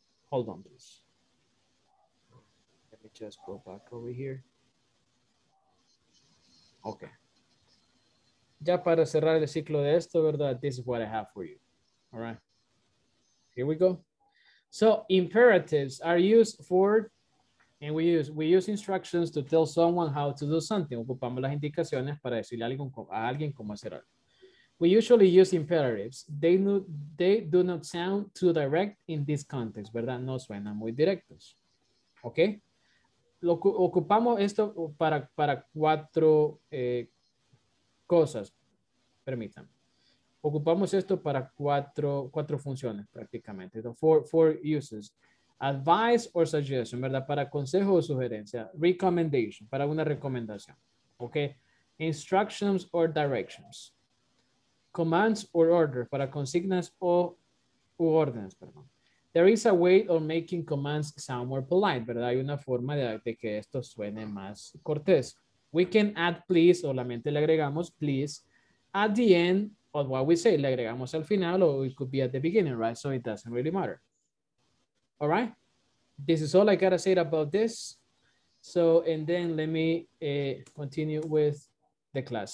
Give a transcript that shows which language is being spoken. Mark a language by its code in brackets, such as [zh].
[en] Hold on, please. Let me just go back over here. Okay. [es] Ya para cerrar el ciclo de esto, ¿verdad? [en] This is what I have for you. All right. Here we go. So imperatives are used for, and we use instructions to tell someone how to do something. [es] Ocupamos las indicaciones para decirle a alguien cómo hacer algo. [en] We usually use imperatives. They do not sound too direct in this context, [es] ¿verdad? No suenan muy directos, ¿ok? Ocupamos esto para cuatro cosas, permítanme. Ocupamos esto para cuatro funciones prácticamente, [en] four uses. Advice or suggestion, [es] ¿verdad? Para consejo o sugerencia. [en] Recommendation, [es] para una recomendación, [en] ¿ok? Instructions or directions. Commands or order, [es] para consignas o órdenes, perdón. [en] There is a way of making commands sound more polite, [es] ¿verdad? Hay una forma de que esto suene más cortés. [en] We can add please, [es] o la mente le agregamos [en] please, at the end of what we say. [es] Le agregamos al final, [en] or it could be at the beginning, right? So it doesn't really matter. All right? This is all I gotta say about this. So, and then let me continue with the class.